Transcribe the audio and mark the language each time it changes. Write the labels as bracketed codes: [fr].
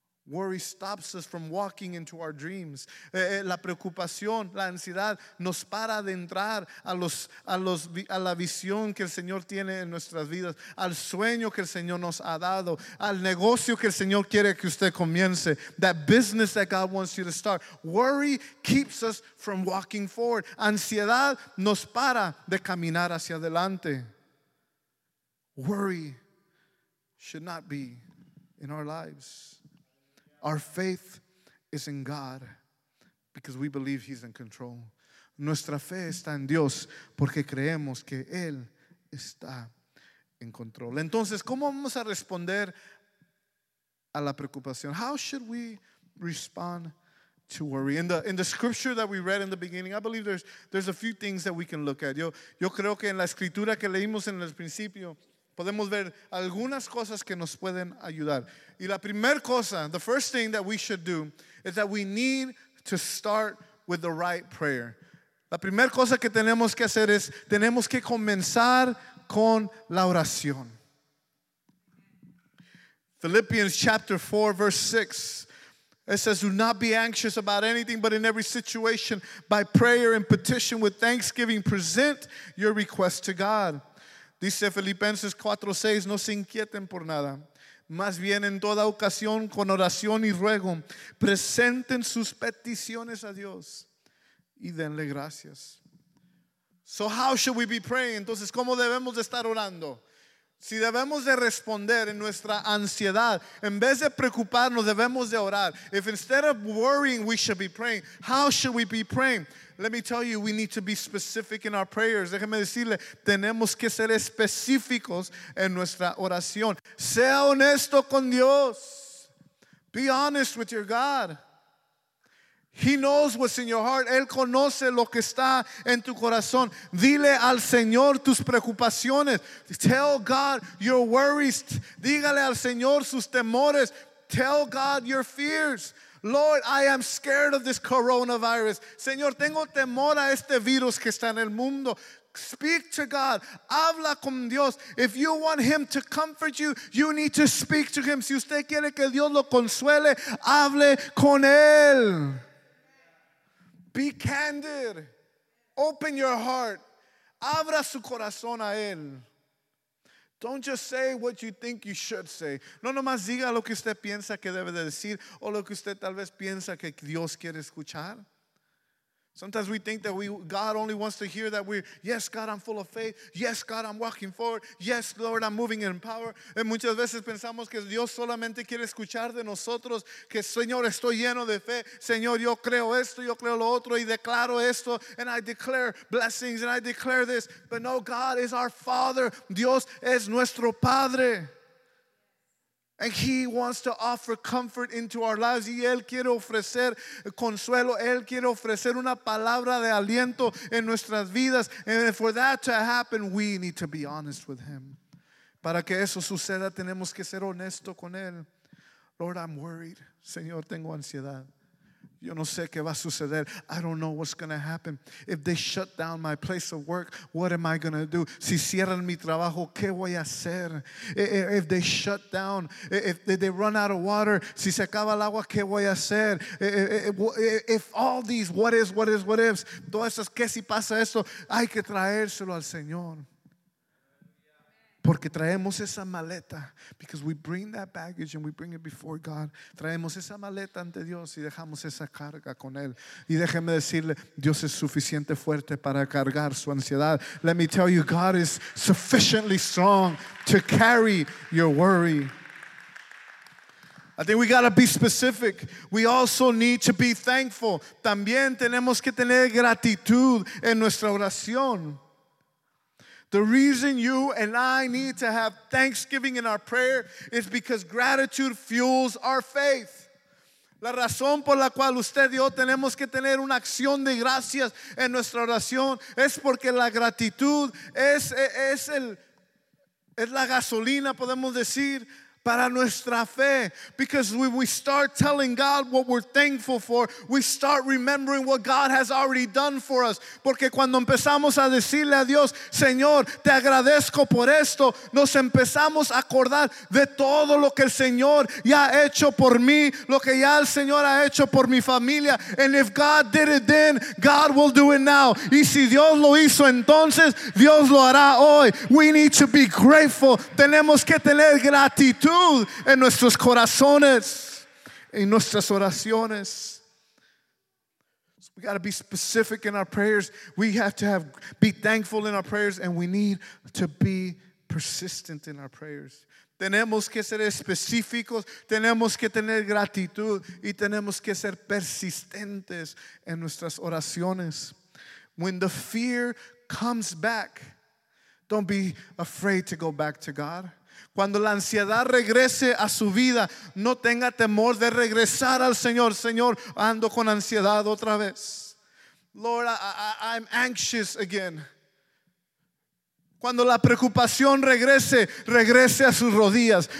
[en] Worry stops us from walking into our dreams. [es] La preocupación, la ansiedad, nos para de entrar a la visión que el Señor tiene en nuestras vidas, al sueño que el Señor nos ha dado, al negocio que el Señor quiere que usted comience. [en] That business that God wants you to start. Worry keeps us from walking forward. [es] Ansiedad nos para de caminar hacia adelante. [en] Worry should not be in our lives. Our faith is in God because we believe He's in control. [es] Nuestra fe está en Dios porque creemos que Él está en control. Entonces, ¿cómo vamos a responder a la preocupación? [en] How should we respond to worry? In the scripture that we read in the beginning, I believe there's a few things that we can look at. [es] Yo creo que en la escritura que leímos en el principio, podemos ver algunas cosas que nos pueden ayudar. Y la primera cosa, [en] the first thing that we should do, is that we need to start with the right prayer. [es] La primera cosa que tenemos que hacer es, tenemos que comenzar con la oración. [en] Philippians chapter 4, verse 6. It says, do not be anxious about anything, but in every situation, by prayer and petition with thanksgiving, present your request to God. [es] Dice Filipenses 4, 6, no se inquieten por nada. Más bien en toda ocasión, con oración y ruego, presenten sus peticiones a Dios y denle gracias. [en] So how should we be praying? [es] Entonces, ¿cómo debemos de estar orando? Si debemos de responder en nuestra ansiedad, en vez de preocuparnos, debemos de orar. [en] If instead of worrying, we should be praying, how should we be praying? Let me tell you, we need to be specific in our prayers. [es] Déjeme decirle, tenemos que ser específicos en nuestra oración. Sea honesto con Dios. [en] Be honest with your God. He knows what's in your heart. [es] Él conoce lo que está en tu corazón. Dile al Señor tus preocupaciones. [en] Tell God your worries. [es] Dígale al Señor sus temores. [en] Tell God your fears. Lord, I am scared of this coronavirus. [es] Señor, tengo temor a este virus que está en el mundo. [en] Speak to God. [es] Habla con Dios. [en] If you want Him to comfort you, you need to speak to Him. [es] Si usted quiere que Dios lo consuele, hable con Él. [en] Be candid. Open your heart. [es] Abra su corazón a Él. [en] Don't just say what you think you should say. [es] No nomás diga lo que usted piensa que debe de decir o lo que usted tal vez piensa que Dios quiere escuchar. [en] Sometimes we think that God only wants to hear that yes, God, I'm full of faith. Yes, God, I'm walking forward. Yes, Lord, I'm moving in power. [es] Y muchas veces pensamos que Dios solamente quiere escuchar de nosotros que, Señor, estoy lleno de fe. Señor, yo creo esto, yo creo lo otro, y declaro esto, [en] and I declare blessings, and I declare this. But no, God is our Father. [es] Dios es nuestro Padre. [en] And He wants to offer comfort into our lives. [es] Y Él quiere ofrecer consuelo. Él quiere ofrecer una palabra de aliento en nuestras vidas. [en] And for that to happen, we need to be honest with Him. [es] Para que eso suceda, tenemos que ser honesto con Él. [en] Lord, I'm worried. [es] Señor, tengo ansiedad. Yo no sé qué va a suceder. [en] I don't know what's going to happen. If they shut down my place of work, what am I going to do? [es] Si cierran mi trabajo, ¿qué voy a hacer? [en] If they shut down, if they run out of water, [es] si se acaba el agua, ¿qué voy a hacer? [en] If all these what ifs, [es] todas esas, ¿qué si pasa esto? Hay que traérselo al Señor. Porque traemos esa maleta, [en] because we bring that baggage and we bring it before God. [es] Traemos esa maleta ante Dios y dejamos esa carga con Él. Y déjeme decirle, Dios es suficiente fuerte para cargar su ansiedad. [en] Let me tell you, God is sufficiently strong to carry your worry. I think we got to be specific. We also need to be thankful. [es] También tenemos que tener gratitud en nuestra oración. [en] The reason you and I need to have thanksgiving in our prayer is because gratitude fuels our faith. [es] La razón por la cual usted y yo tenemos que tener una acción de gracias en nuestra oración es porque la gratitud es la gasolina, podemos decir, para nuestra fe. [en] Because when we start telling God what we're thankful for, we start remembering what God has already done for us. [es] Porque cuando empezamos a decirle a Dios, Señor, te agradezco por esto, nos empezamos a acordar de todo lo que el Señor ya ha hecho por mí, lo que ya el Señor ha hecho por mi familia. [en] And if God did it then, God will do it now. [es] Y si Dios lo hizo entonces, Dios lo hará hoy. [en] We need to be grateful. [es] Tenemos que tener gratitud en nuestros corazones, en nuestras oraciones. [en] So we got to be specific in our prayers. We have to be thankful in our prayers, and we need to be persistent in our prayers. [es] Tenemos que ser específicos, tenemos que tener gratitud, y tenemos que ser persistentes en nuestras oraciones. [en] When the fear comes back, don't be afraid to go back to God. [es] Cuando la ansiedad regrese a su vida, no tenga temor de regresar al Señor. Señor, ando con ansiedad otra vez. [en] Lord, I'm anxious again. [es] Cuando la preocupación regrese, regrese a sus rodillas.